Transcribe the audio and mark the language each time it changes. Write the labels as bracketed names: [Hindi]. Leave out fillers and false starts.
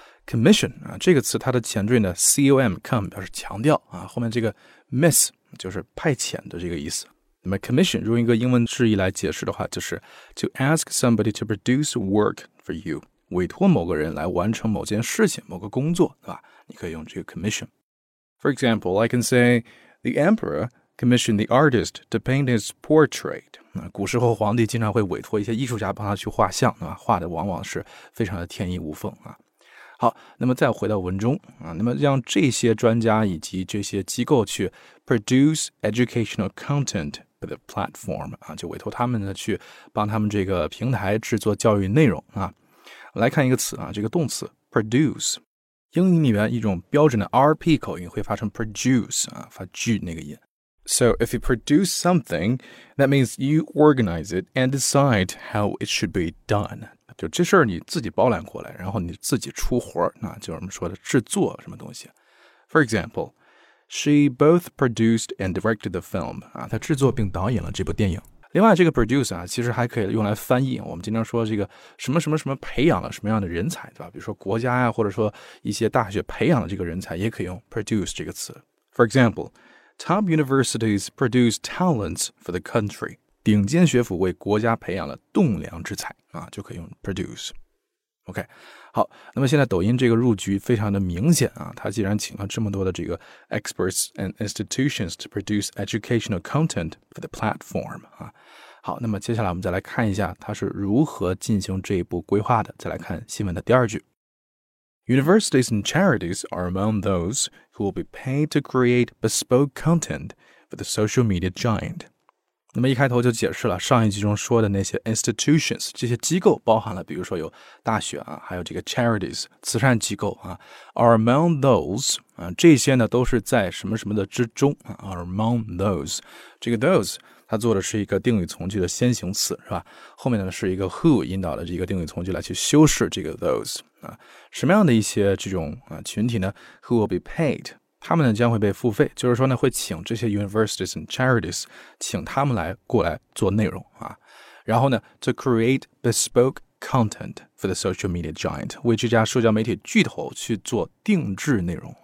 [Chinese] commission 啊这个词它的前缀呢 com 表示强调啊，后面这个 miss 就是派遣的这个意思。那么 commission 用一个英文释义来解释的话，就是 [English] to ask somebody to produce work for you， [Chinese] 委托某个人来完成某件事情、某个工作，对吧？你可以用这个 commission。 [English] For example, I can say the emperor commissioned the artist to paint his portrait。 [Chinese] 那古时候皇帝经常会委托一些艺术家帮他去画像，对吧？画的往往是非常的天衣无缝啊。好，那么再回到文中啊，那么让这些专家以及这些机构去 [English] produce educational content for the platform [Chinese] 啊，就委托他们呢去帮他们这个平台制作教育内容啊。来看一个词啊，这个动词 produce， 英语里面一种标准的 RP 口音会发成 produce 啊，发 G 那个音。 [English] So if you produce something, that means you organize it and decide how it should be done. [Chinese] 就这事儿你自己包揽过来，然后你自己出活儿，那就是我们说的制作什么东西。 [English] For example, she both produced and directed the film. [Chinese] 啊，她制作并导演了这部电影。另外，这个 produce 啊，其实还可以用来翻译。我们经常说这个什么什么什么培养了什么样的人才，对吧？比如说国家呀，或者说一些大学培养了这个人才，也可以用 produce 这个词。 [English] For example, top universities produce talents for the country. [Chinese] 顶尖学府为国家培养了栋梁之才啊，就可以用 produce。 OK， 好，那么现在抖音这个入局非常的明显啊，它既然请了这么多的这个 [English] experts and institutions to produce educational content for the platform [Chinese] 啊，好，那么接下来我们再来看一下它是如何进行这一步规划的，再来看新闻的第二句。 [English] Universities and charities are among those who will be paid to create bespoke content for the social media giant. [Chinese] 那么一开头就解释了上一集中说的那些 institutions， 这些机构包含了比如说有大学啊，还有这个 charities， 慈善机构啊， [English] are among those， [Chinese] 啊，这些呢都是在什么什么的之中， are among those，这个 those 它做的是一个定语从句的先行词是吧，后面呢是一个 who 引导的这个定语从句来去修饰这个 those， 啊，什么样的一些这种啊群体呢， [English] who will be paid， [Chinese] 他们呢将会被付费，就是说呢会请这些 [English] universities and charities [Chinese] 请他们来过来做内容啊，然后呢 [English] to create bespoke content for the social media giant， [Chinese] 为这家社交媒体巨头去做定制内容。